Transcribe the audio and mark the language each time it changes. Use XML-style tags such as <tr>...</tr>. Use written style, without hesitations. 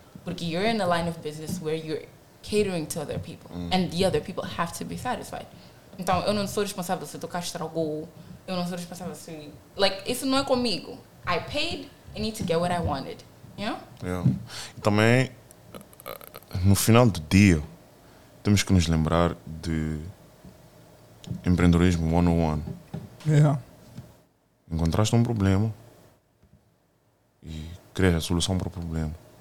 <en>Porque you're in a line of business where you're catering to other people, and the other people have to be satisfied.</en> <pt>Então, eu não sou responsável se tu cá estragou. Eu não sou responsável se...</pt> <en>Like,</en> <pt>isso não é comigo.</pt> <en>I paid, I need to get what I wanted. You know? Yeah.</en> <pt>Também, no final do dia, temos que nos lembrar de empreendedorismo 101.</pt> <en>Yeah.</en> <pt>Encontraste um problema e crias a solução para o problema.</pt>